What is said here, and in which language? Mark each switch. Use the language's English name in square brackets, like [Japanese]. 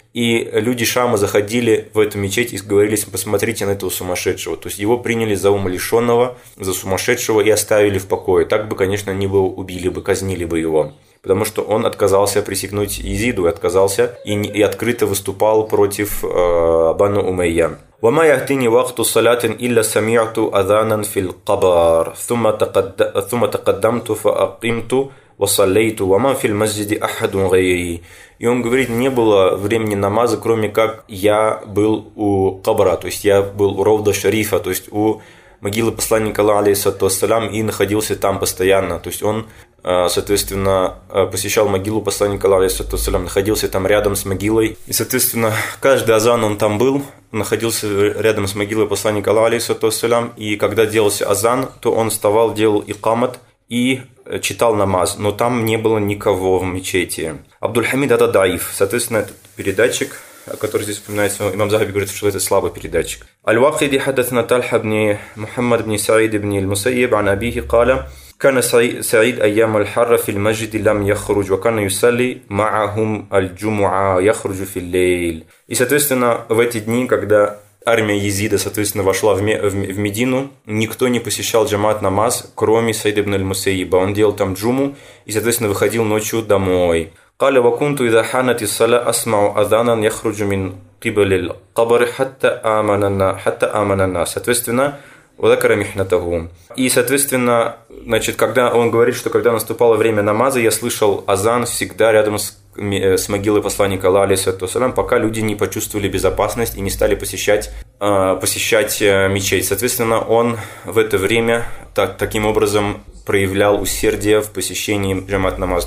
[Russian] И люди Шама заходили в эту мечеть и говорили, посмотрите на этого сумасшедшего. То есть его приняли за умалишенного, за сумасшедшего и оставили в покое. Так бы, конечно, они бы убили бы, казнили бы его. Потому что он отказался присягнуть Езиду и отказался, и открыто выступал против Бану Умейя. [Arabic] وما يهتني وقت صلاة إلا سمعت أذانا في القبر ثم تقدمت فأقمت وصليت وما في المسجد أحد غيري. [Russian] И он говорит, не было времени намаза, кроме как я был у кабра, то есть я был у ровда шарифа, то есть у могилы посланника алейхиссалям, и находился там постоянно. То есть он, соответственно, посещал могилу посланника алейхиссалям, находился там рядом с могилой, и, соответственно, каждый азан он там был, находился рядом с могилой посланника алейхиссалям, и когда делался азан, то он вставал, делал икамат и читал намаз, но там не было никого в мечети. Абдул-Хамид это даиф, соответственно, этот передатчик, который здесь вспоминается, имам Захаби говорит, что это слабый передатчик. [Arabic] Аль-Вахиди хадатна Тальха бни Мухаммад бни Саид бни Аль-Мусайяб ан Абихи кала, كان سعيد أيام الحر في المسجد لم يخرج وكان يصلي معهم الجمعة يخرج في الليل. [Russian] И, соответственно, в эти дни, когда армия езида, соответственно, вошла в Медину, никто не посещал джамат намаз, кроме Саида ибн аль-Мусейба. Он делал там джуму и, соответственно, выходил ночью домой. [Arabic] قال وكنت إذا حانت الصلاة أسمع أذانا يخرج من قبل القبر حتى آمن الناس. Соответственно, وذكر محنته. [Russian] И, соответственно, значит, когда он говорит, что когда наступало время намаза, я слышал азан всегда рядом с могилой посланника Аллаха, алейхиссалату вассалям, пока люди не почувствовали безопасность и не стали посещать мечеть. Соответственно, он в это время таким образом проявлял усердие в посещении джамат намаз.